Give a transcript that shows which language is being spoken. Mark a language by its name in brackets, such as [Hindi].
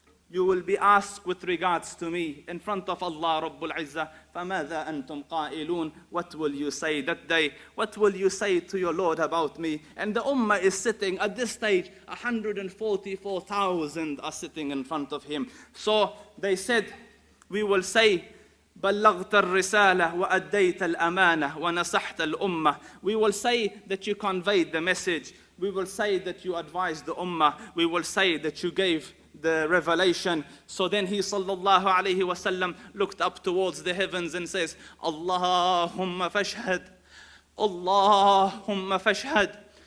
[English] You will be asked with regards to me in front of Allah Rabbul Izzah, [Arabic] فماذا أنتم قائلون? [English] What will you say that day? What will you say to your Lord about me? And the Ummah is sitting at this stage, 144,000 are sitting in front of him. So they said, we will say, [Arabic] بلغت الرسالة وأديت الأمانة ونصحت الأمة. [English] We will say that you conveyed the message. We will say that you advised the Ummah. We will say that you gave the revelation. So then he sallallahu alayhi wa sallam looked up towards the heavens and says, Allahumma fashhad, Allahumma fashhad,